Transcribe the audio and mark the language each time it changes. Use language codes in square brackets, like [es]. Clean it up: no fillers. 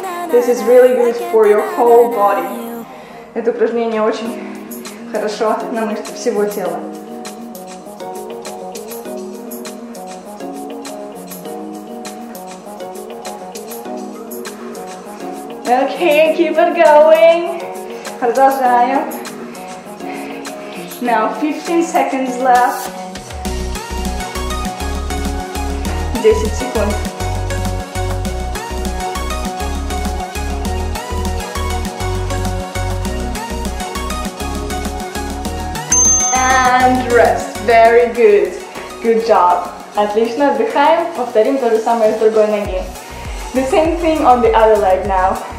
[en] This is really good for your whole body. [ru] Это упражнение очень хорошо на мышцы всего тела. [en] Okay, keep it going. [ru] Продолжаем. [en] Now 15 seconds left. [ru] 10 секунд. [en] And rest. Very good. Good job. [ru] Отлично, отдыхаем. Повторим то же самое с другой ноги. [en] The same thing on the other leg now.